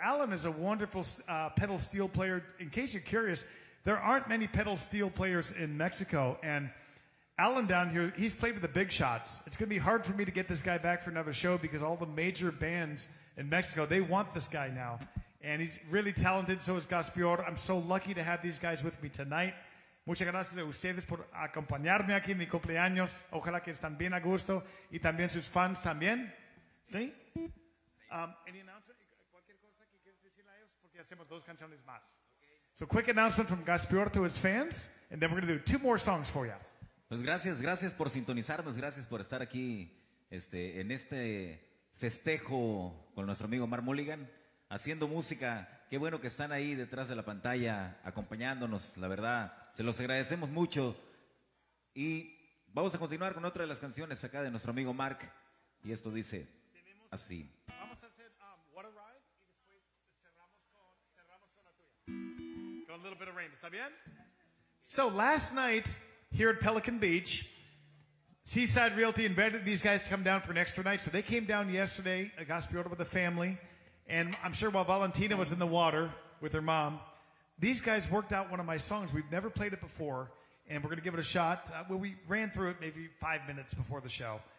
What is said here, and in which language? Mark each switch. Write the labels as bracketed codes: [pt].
[en] Alan is a wonderful pedal steel player. In case you're curious, there aren't many pedal steel players in Mexico. And Alan down here, he's played with the big shots. It's going to be hard for me to get this guy back for another show because all the major bands in Mexico, they want this guy now. And he's really talented, so is Gaspior. I'm so lucky to have these guys with me tonight. [es] Muchas gracias a ustedes por acompañarme aquí en mi cumpleaños. Ojalá que estén bien a gusto. Y también sus fans también. ¿Sí? [en] Any announcement? [es] Cualquier cosa que quieras decirle a ellos, porque hacemos dos canciones más. [en] So quick announcement from Gaspior to his fans, and then we're going to do two more songs for you. [es] Pues gracias, gracias por sintonizarnos. Gracias por estar aquí en este festejo con nuestro amigo Mark Mulligan. Haciendo música, qué bueno que están ahí detrás de la pantalla acompañándonos, la verdad, se los agradecemos mucho. Y vamos a continuar con otra de las canciones acá de nuestro amigo Mark, y esto dice así. Vamos a hacer What a Ride, y después cerramos con la tuya. Con a little bit of rain, ¿está bien? [en] So last night, here at Pelican Beach, Seaside Realty invited these guys to come down for an extra night, so they came down yesterday, a Gaspiota with the family. And I'm sure while Valentina was in the water with her mom, these guys worked out one of my songs. We've never played it before, and we're going to give it a shot. Well, we ran through it maybe 5 minutes before the show.